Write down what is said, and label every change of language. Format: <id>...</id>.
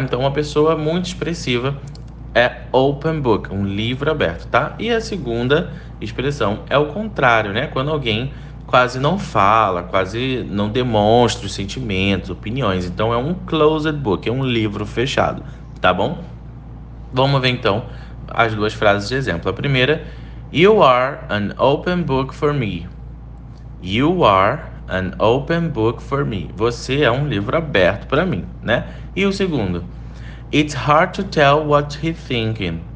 <pt>Então, uma pessoa muito expressiva é</pt> <en>open book,</en> <pt>um livro aberto, tá? E a segunda expressão é o contrário, né? Quando alguém quase não fala, quase não demonstra os sentimentos, opiniões. Então é um</pt> <en>closed book,</en> <pt>é um livro fechado, tá bom? Vamos ver então as duas frases de exemplo. A primeira:</pt> <en>You are an open book for me. You are an open book for me.</en> <pt>Você é um livro aberto para mim, né? E o segundo:</pt> <en>It's hard to tell what he's thinking.</en>